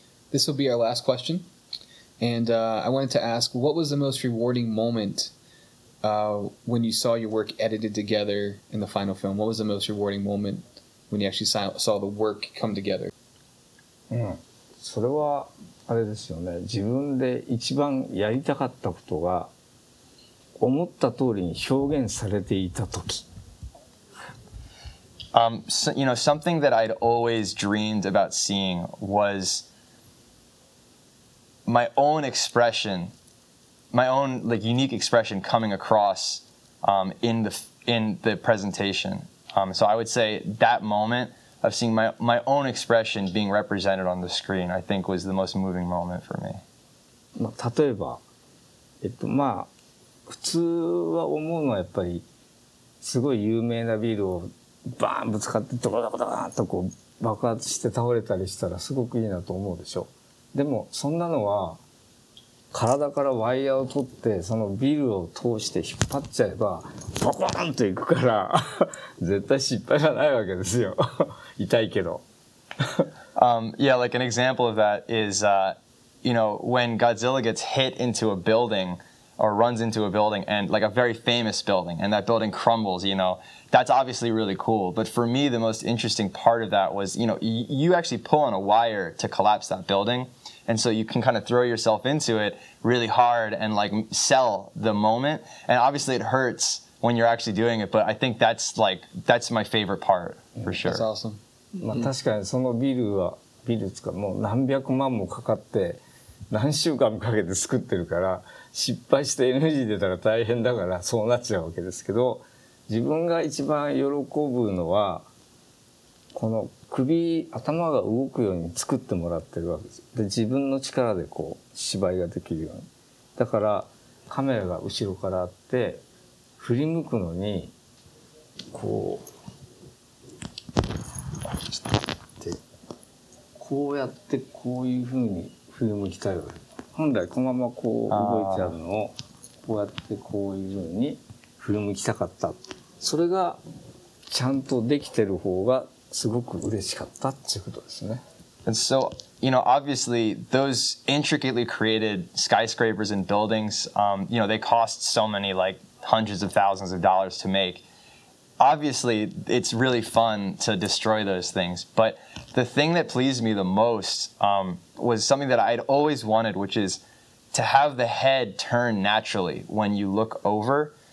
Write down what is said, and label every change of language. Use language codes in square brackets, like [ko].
[en] This will be our last question. And I wanted to ask, what was the most rewarding moment when you saw your work edited together in the final film? What was the most rewarding moment when you actually saw the work come together? [ja] それはあれですよね。自分で一番やりたかったことが思った通りに表現されていた時。 [en] You know, something that I'd always dreamed about seeing was my own expression, my own like unique expression coming across in the presentation. So I would say that moment of seeing my own expression being represented on the screen, I think was the most moving moment for me. [ja] まあ、例えば、まあ、普通は思うのはやっぱりすごい有名なビルをバーンぶつかってドカドカドカとこう爆発して倒れたりしたらすごくいいなと思うでしょ。でもそんなのは体からワイヤーを取ってそのビルを通して引っ張っちゃえばポコーンっていくから絶対失敗がないわけですよ痛いけど [en] yeah, like an example of that is, you know, when Godzilla gets hit into a building or runs into a building and like a very famous building and that building crumbles, you know, that's obviously really cool. But for me, the most interesting part of that was, you know, you actually pull on a wire to collapse that building. And so you can kind of throw yourself into it really hard and like sell the moment. And obviously it hurts when you're actually doing it, but I think that's like, that's my favorite part for sure. That's awesome. [ja] まあ、確かにそのビルはビルつかもう何百万もかかって何週間もかけて作ってるから失敗して NG 出たら大変だからそうなっちゃうわけですけど自分が一番喜ぶのはこの首頭が動くように作ってもらってるわけです。で自分の力でこう芝居ができるようにだからカメラが後ろからあって振り向くのにこうこうやってこういうふうに振り向きたいわけ。本来このままこう動いちゃうのをこうやってこういうふうに振り向きたかった。それがちゃんとできてる方がすごく嬉しかったっていうことですね。 [en] And so, you know, obviously those intricately created skyscrapers and buildings, you know, they cost so many like hundreds of thousands of dollars to make. Obviously, it's really fun to destroy those things. But the thing that pleased me the most, was something that I'd always wanted, which is to have the head turn naturally when you look over.